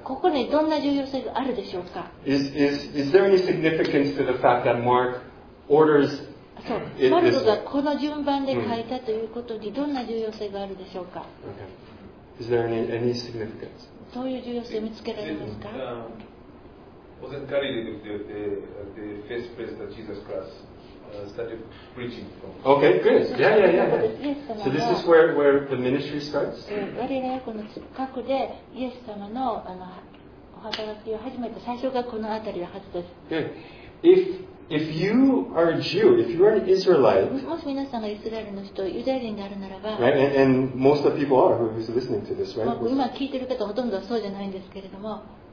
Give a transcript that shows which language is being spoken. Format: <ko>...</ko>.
<ja>ここにどんな重要性があるでしょうか。</ja> <en>is there any significance to the fact that Mark orders it this way?</en> <ja>マルコがこの順番で書いたということにどんな重要性があるでしょうか。</ja> <en>Is there any significance?</en> <ja>どういう重要性を見つけられますか。</ja> <en>Wasn't Galilee the first place that Jesus Christ started preaching from? Okay, good. Yeah. So this is where the ministry starts?</en> <ja>Galilee の近くで、イエス様のあのお働きを始めた最初がこの辺りのはずです。</ja> <en>If you are a Jew, if you are an Israelite,</en> <ja>もし皆さんがイスラエルの人、ユダヤ人であるならば、</ja> <en>right? And most of the people are who's listening to this, right?</en> <ja>今聞いてる方ほとんどそうじゃないんですけれども、</ja>